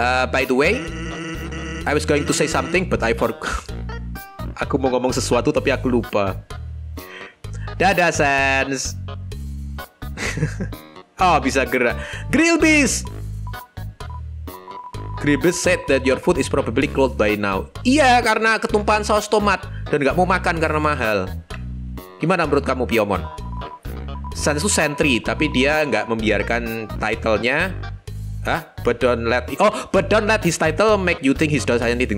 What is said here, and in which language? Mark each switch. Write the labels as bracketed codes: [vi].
[en] By the way, I was going to say something, but I forgot. [id] Aku mau ngomong sesuatu, tapi aku lupa. Dadah, Sans. Oh, bisa gerak. Grilbys! [en] Grilbys said that your food is probably cold by now. [id] Iya, karena ketumpahan saus tomat. Dan nggak mau makan karena mahal. Gimana menurut kamu, Piyomon? Sans itu sentry, tapi dia nggak membiarkan title-nya. [en] Hah? But don't let... Oh, but don't let his title make you think he's done anything.